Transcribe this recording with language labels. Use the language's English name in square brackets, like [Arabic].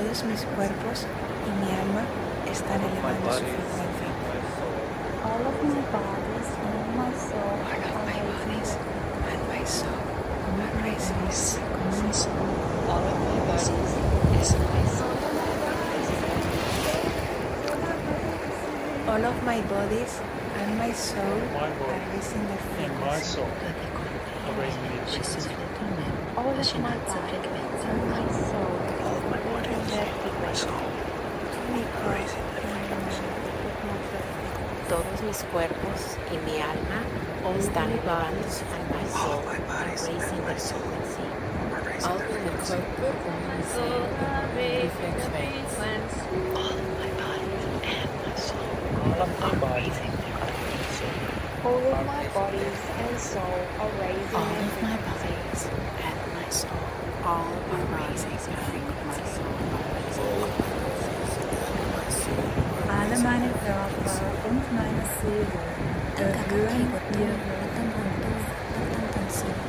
[Spanish] Mis cuerpos y mi alma están elevando su frecuencia. [English] All of my bodies and my soul are raising and my soul are raising my frequencies. All of my bodies is my soul. All of my bodies and my soul are raising their frequencies. All of my bodies and my soul. [Spanish] Todos mis cuerpos y mi alma están elevando su frecuencia. [English] All of my bodies and soul are raising their frequency. All of my bodies and my soul. All of my bodies and soul are raising my soul. [German] Alle meine Körper und meine Seele erhöhen ihre Frequenzen.